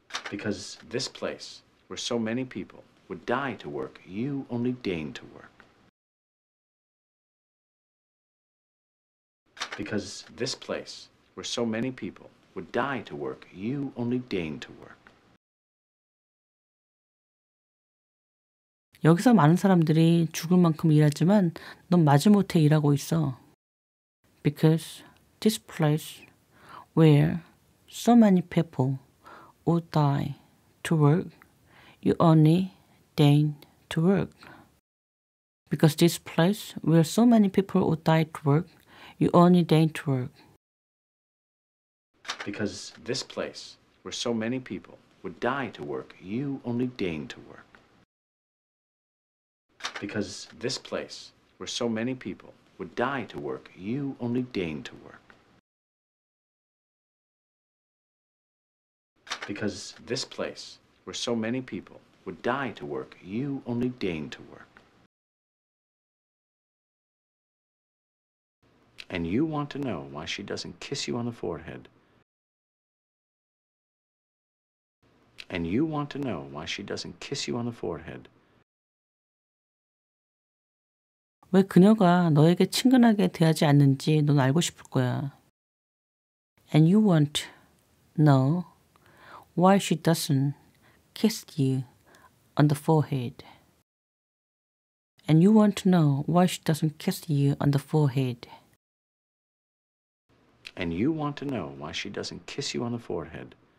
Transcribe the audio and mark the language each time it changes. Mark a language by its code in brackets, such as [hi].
[en] Because this place, where so many people would die to work, you only deign to work. Because this place, where so many people would die to work, you only deign to work. [ko] 여기서 많은 사람들이 죽을 만큼 일하지만 넌 마지못해 일하고 있어. [en] Because this place, where so many people would die to work, you only deign to work. Because this place, where so many people would die to work, you only deign to work. Because this place, where so many people would die to work, you only deign to work. Because this place, where so many people would die to work, you only deign to work. Because this place, where so many people would die to work, you only deign to work. And you want to know why she doesn't kiss you on the forehead. And you want to know why she doesn't kiss you on the forehead. [ko] 왜 그녀가 너에게 친근하게 대하지 않는지 넌 알고 싶을 거야. [en] And you want to know why she doesn't kiss you on the forehead. And you want to know why she doesn't kiss you on the forehead. And you want to know why she doesn't kiss you on the forehead.